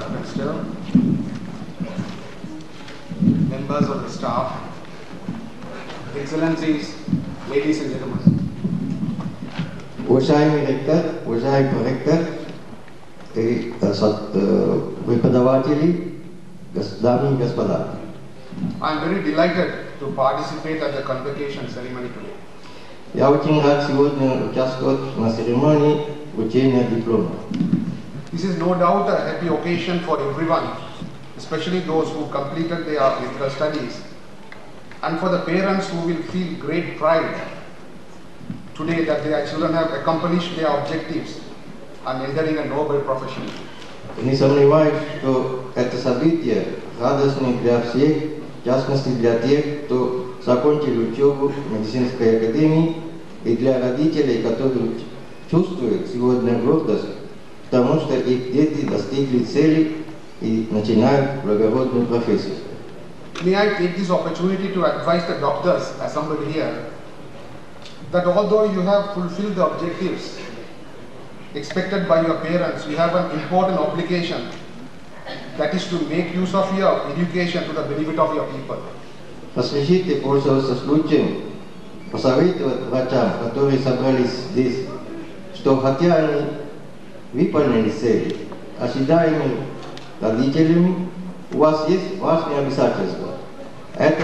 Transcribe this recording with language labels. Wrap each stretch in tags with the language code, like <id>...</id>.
<en>Baxter, members of the staff, excellencies, ladies and gentlemen.</en> <ru>Уважаемый ректор, уважаемый проректор и преподаватели, дамы и господа.</ru> <en>I am very delighted to participate at the convocation ceremony today.</en> <ru>Я очень рад сегодня участвовать на церемонии вручения диплома.</ru> <en>This is no doubt a happy occasion for everyone, especially those who completed their extra studies, and for the parents who will feel great pride today that their children have accomplished their objectives and entering a noble profession.</en> <ru>Не сомневаюсь, что это событие радостное для всех, в частности для тех, кто закончил учебу в медицинской академии, и для родителей, которые чувствуют сегодня гордость. Потому что их дети достигли цели и начинают благородную профессию.</ru> <en>May I take this opportunity to advise the doctors, assembled here, that although you have fulfilled the objectives expected by your parents, you have an important obligation, that is to make use of your education to the benefit of your people.</en> <ru>Посвящите пользоваться случаем, посоветовать врачам, которые собрались здесь, что хотя они выполнили цели, ожидаемые родителями, у вас есть важные обязательства, Это...</ru>